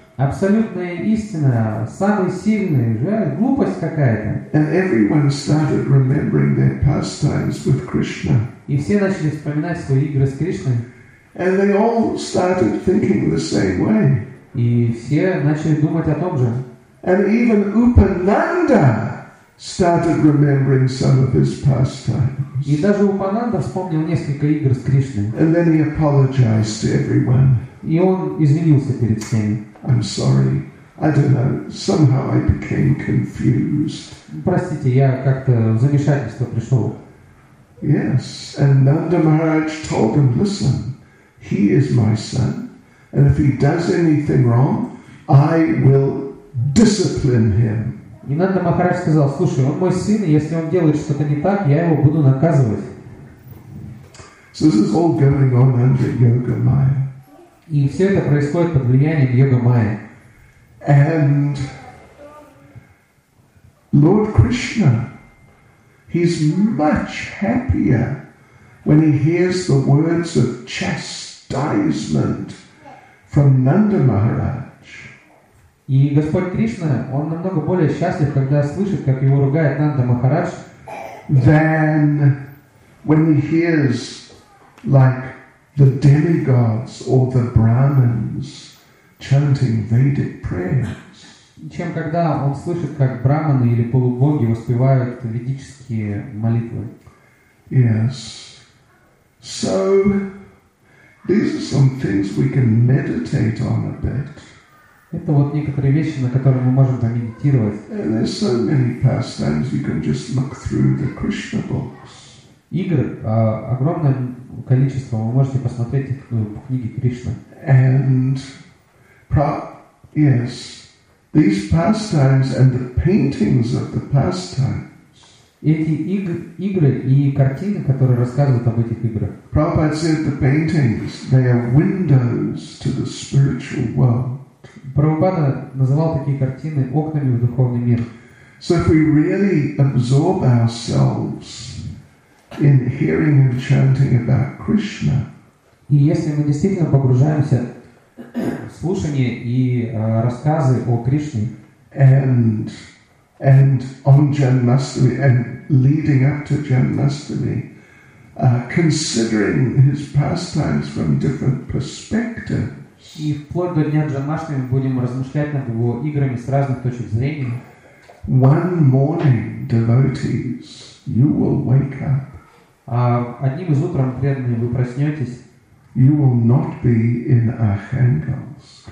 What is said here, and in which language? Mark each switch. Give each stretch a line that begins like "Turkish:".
Russian: Абсолютная истина, самый сильный, же глупость какая-то.
English: And everyone started remembering their pastimes with Krishna.
Russian: И все начали вспоминать свои игры с Кришной.
English: And they all started thinking the same way.
Russian: И все начали думать о том же.
English: And even Upananda started remembering some of his pastimes.
Russian: И даже Упананда вспомнил несколько игр с Кришной.
English: And then he apologized to everyone.
Russian: И он извинился перед всеми.
English: I'm sorry. I don't know. Somehow I became confused.
Russian: Простите, я как-то в замешательство пришел.
English: Yes. And Nanda Maharaj told him, listen, he is my son. And if he does anything wrong, I will discipline him.
Russian: И Нанда Махарадж сказал: слушай, он мой сын, и если он делает что-то не так, я его буду наказывать.
English: So this is all going on under yoga maya.
Russian: И все это происходит под влиянием йога майя.
English: And Lord Krishna, he's much happier when he hears the words of chastisement from Nanda Maharaj.
Russian: И Господь Кришна, он намного более счастлив, когда слышит, как его ругает Нанда Махарадж,
English: than when he hears like the demigods or the Brahmins chanting Vedic prayers.
Russian: Чем когда он слышит, как брахманы или полубоги воспевают ведические молитвы.
English: Yes. So these are some things we can meditate on a bit.
Russian: Это вот некоторые вещи, на которые мы можем помедитировать.
English: And there's so many pastimes you can just look through the Krishna books.
Russian: Игры, огромное количество, вы можете посмотреть их в книге Кришны.
English: And yes, these pastimes and the paintings of the pastimes.
Russian: Эти игры и картины, которые рассказывают об этих играх.
English: Prabhupada said the paintings, they are windows to the spiritual world.
Russian: Прабхупада называл такие картины окнами в духовный мир.
English: So if we really absorb ourselves in hearing and chanting about Krishna.
Russian: И если мы действительно погружаемся слушание и рассказы о Кришне.
English: And on Janmashtami, and leading up to Janmashtami, considering his pastimes from different perspectives.
Russian: И вплоть до дня Джанмаштами мы будем размышлять над его играми с разных точек зрения.
English: One morning, devotees, you will wake up.
Russian: Одним из утром, преданные, вы проснетесь.
English: You will not be in Arkhangelsk.